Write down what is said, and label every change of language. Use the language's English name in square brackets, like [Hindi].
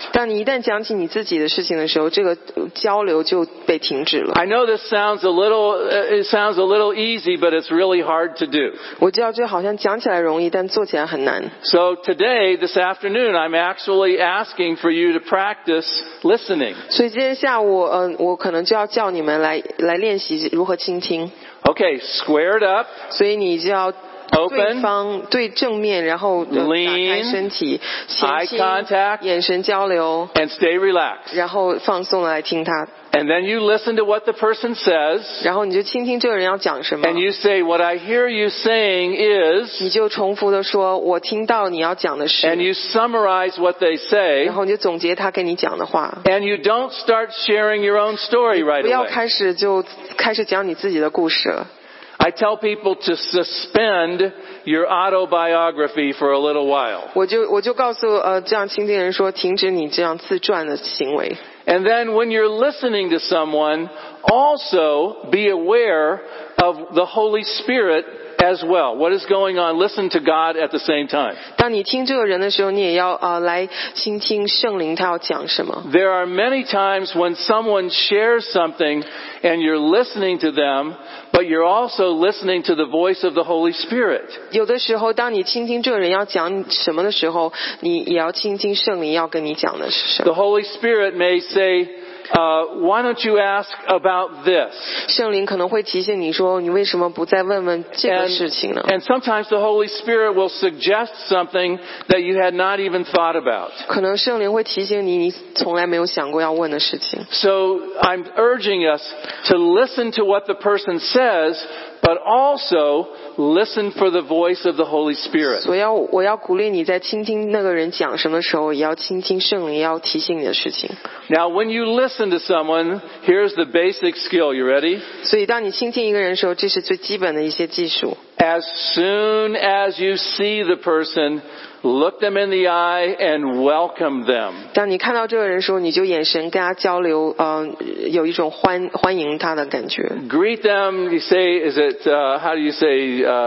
[Chinese] 当你一旦讲起你自己的事情的时候，这个交流就被停止了。 [English] I know this sounds a little easy, but it's really hard to do. [Chinese] 我知道这好像讲起来容易，但做起来很难。 [English] So today, this afternoon, I'm actually asking for you to practice listening. [Chinese] 所以今天下午，我可能就要叫你们来练习如何倾听。 [English] Okay, square it up. [Chinese] 所以你就要 [English] Open, [Chinese] 对方对正面，然后打开身体， [English] lean, [Chinese] 前倾， [English] eye contact, [Chinese] 眼神交流， [English] and stay relaxed. [Chinese] 然后放松来听他。 [English] And then you listen to what the person says. [Chinese] 然后你就倾听这个人要讲什么。 [English] And you say what I hear you saying is. [Chinese] 你就重复的说，我听到你要讲的是。 [English] And you summarize what they say. [Chinese] 然后你就总结他跟你讲的话。 [English] And you don't start sharing your own story right away. [Chinese] 不要开始讲你自己的故事了。 [English] I tell people to suspend your autobiography for a little while. [Chinese] 我就告诉这样倾听人说，停止你这样自传的行为。 [English] And then when you're listening to someone, also be aware of the Holy Spirit as well. What is going on? Listen to God at the same time. [Chinese] 当你听这个人的时候，你也要来倾听圣灵他要讲什么。 [English] There are many times when someone shares something and you're listening to them. But you're also listening to the voice of the Holy Spirit. [Chinese] 有的时候，当你倾听这个人要讲什么的时候，你也要倾听圣灵要跟你讲的是什么。 [English] The Holy Spirit may say, "Why don't you ask about this?" [Chinese] 圣灵可能会提醒你说，你为什么不再问问这个事情呢？ [English] And sometimes the Holy Spirit will suggest something that you had not even thought about. [Chinese] 可能圣灵会提醒你，你从来没有想过要问的事情。 [English] So I'm urging us to listen to what the person says, but also listen for the voice of the Holy Spirit. [Chinese] 我要鼓励你在倾听那个人讲什么时候，也要倾听圣灵要提醒你的事情。 [English] Now, when you listen to someone, here's the basic skill. You ready? [Chinese] 所以当你倾听一个人的时候，这是最基本的一些技术。 [English] As soon as you see the person, look them in the eye and welcome them. [Chinese] 当你看到这个人的时候，你就眼神跟他交流，有一种欢迎他的感觉。 [English] Greet them. You say, "Is it how do you say?"